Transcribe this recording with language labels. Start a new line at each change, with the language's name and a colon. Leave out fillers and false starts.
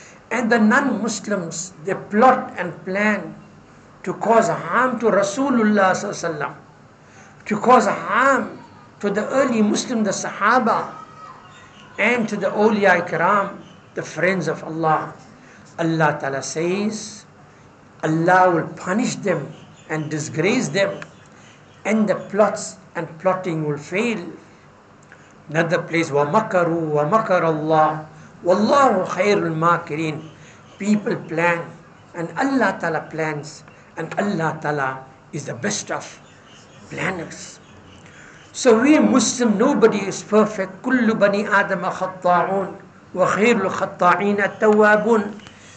English: And the non-Muslims, they plot and plan to cause harm to Rasulullah sallallahu alaihi wasallam, to cause harm to the early Muslim, the Sahaba, and to the awliya ikram, the friends of Allah. Allah Ta'ala says, Allah will punish them and disgrace them, and the plots and plotting will fail. Another place,
Arabic: وَمَكَرُوا وَمَكَرَ اللَّهُ وَاللَّهُ خَيْرُ الْمَاكِرِينَ.
English: People plan, and Allah Ta'ala plans, and Allah Ta'ala is the best of planners. So we Muslim, nobody is perfect.
Arabic: كُلُّ بَنِي آدَمَ خَطَّاعُونَ وَخَيْرُ الْخَطَّاعِينَ التَّوَّابُونَ.